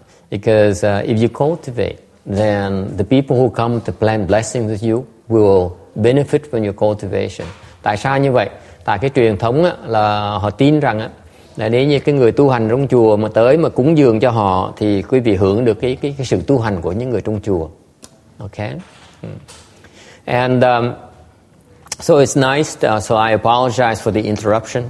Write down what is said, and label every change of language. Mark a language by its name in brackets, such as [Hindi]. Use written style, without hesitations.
[English] Because if you cultivate, then the people who come to plant blessings with you will benefit from your cultivation. [Vietnamese] Tại sao như vậy? Tại cái truyền thống á, là họ tin rằng á, là nếu như cái người tu hành trong chùa mà tới mà cúng dường cho họ thì quý vị hưởng được cái sự tu hành của những người trong chùa. [English] Okay. And so it's nice to, so I apologize for the interruption.